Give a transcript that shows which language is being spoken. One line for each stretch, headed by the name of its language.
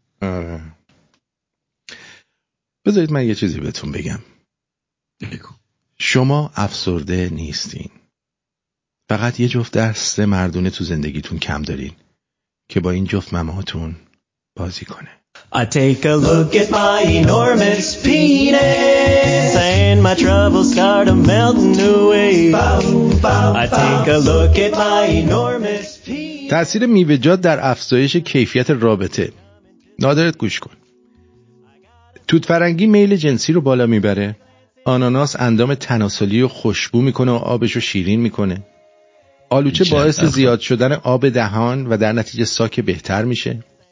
Persian: آره. بذارید من یه چیزی بهتون بگم شما افسرده نیستین فقط یه جفت دست مردونه تو زندگیتون کم دارین که با این جفت مماتون بازی کنه
English: I take a look at my enormous penis and my troubles start to melt away. I take a look at my enormous penis.
Persian: تأثیر میوه‌جات در افزایش کیفیت رابطه. نادرت گوش کن. توت فرنگی میل جنسی رو بالا میبره. آناناس اندام تناسلی رو خوشبو میکنه و آبش رو شیرین میکنه. آلوچه باعث زیاد شدن آب دهان و در نتیجه ساک بهتر میشه.